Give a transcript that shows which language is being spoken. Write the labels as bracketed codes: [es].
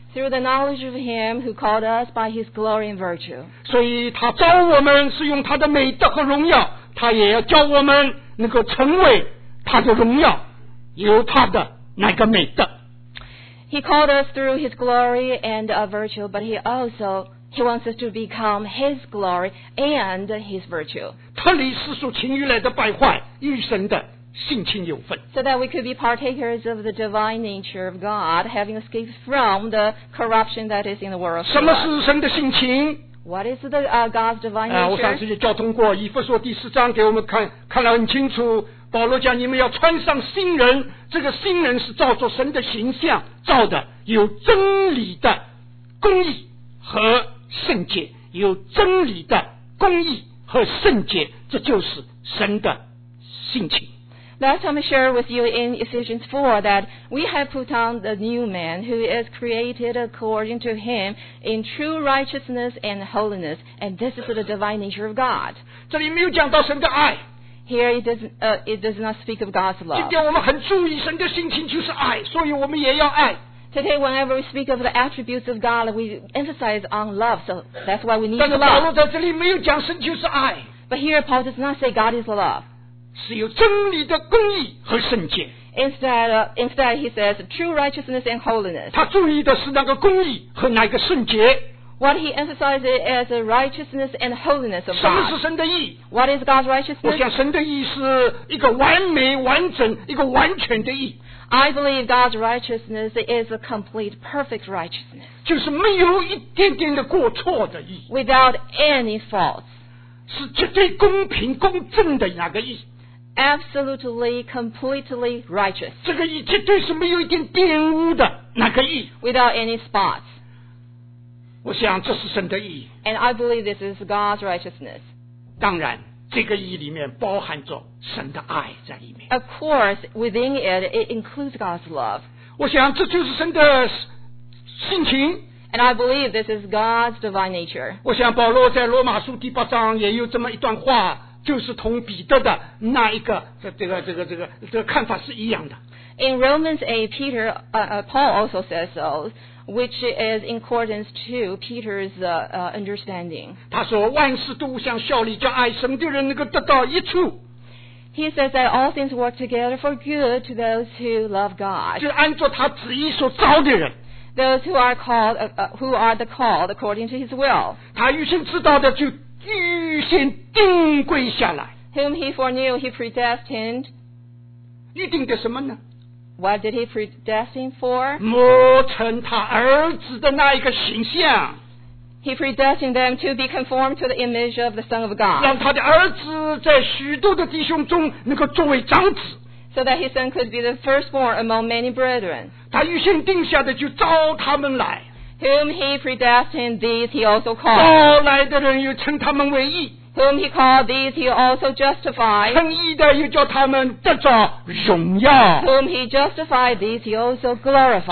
[en] Through the knowledge of Him who called us by His glory and virtue. [zh] 所以他招我们是用他的美德和荣耀，他也要教我们能够成为他的荣耀，有他的那个美德。 [en] He called us through His glory and virtue, but He wants us to become His glory and His virtue. [zh] 脱离世俗情欲来的败坏，与神的性情有份。 [en] So that we could be partakers of the divine nature of God, having escaped from the corruption that is in the world. [zh] 什么是神的性情？ [en] What is the God's divine nature? [zh] 我上次就交通过以弗所第四章给我们看，看了很清楚。保罗讲，你们要穿上新人，这个新人是照着神的形象造的，有真理的公义和圣洁，有真理的公义和圣洁，这就是神的性情。 [en] Last time I shared with you in Ephesians 4 that we have put on the new man who is created according to him in true righteousness and holiness, and this is the divine nature of God. [zh] 这里没有讲到神的爱。 [en] Here it does not speak of God's love. [zh] 今天我们很注意神的性情就是爱，所以我们也要爱。 [en] Today, whenever we speak of the attributes of God, we emphasize on love, so that's why we need love. [zh] 但是保罗在这里没有讲神就是爱。 [en] But here Paul does not say God is love. [zh] 是有真理的公义和圣洁。 [en] Instead, he says true righteousness and holiness. [zh] 他注意的是那个公义和那个圣洁。 [en] What he emphasizes is righteousness and holiness of God. [zh] 什么是神的义？ [en] What is God's righteousness? [zh] 我想神的义是一个完美、完整、一个完全的义。 [en] I believe God's righteousness is a complete, perfect righteousness. [zh] 就是没有一点点的过错的义。 [en] Without any faults. [zh] 是绝对公平、公正的那个义。 [en] Absolutely, completely righteous. [zh] 这个义绝对是没有一点玷污的那个义。 [en] Without any spots. [zh] 我想这是神的义。 [en] And I believe this is God's righteousness. [zh] 当然，这个义里面包含着神的爱在里面。 [en] Of course, within it, it includes God's love. [zh] 我想这就是神的性情。 [en] And I believe this is God's divine nature. [zh] 我想保罗在罗马书第八章也有这么一段话。就是同彼得的那一个这个看法是一样的。 [en] In Romans 8, Peter, Paul also says so, which is in accordance to Peter's understanding. [zh] 他说万事都相效力，叫爱神的人能够得到益处。 [en] He says that all things work together for good to those who love God. [zh] 就按照他旨意所招的人。 [en] Those who are called, who are the called according to His will. [zh] 他预先知道的就。预先定规下来。 [en] Whom he foreknew, he predestined. [zh] 预定的什么呢？ [en] What did he predestine for? [zh] 磨成他儿子的那一个形象。 [en] He predestined them to be conformed to the image of the Son of God. [zh] 让他的儿子在许多的弟兄中能够作为长子。 [en] So that his son could be the firstborn among many brethren. [zh] 他预先定下的就招他们来。 [en] Whom he predestined, these he also called. [zh] 招来的人又称他们为义。 [en] Whom he called, these he also justified. [zh] 称义的又叫他们得着荣耀。 [en] Whom he justified, these he also glorified.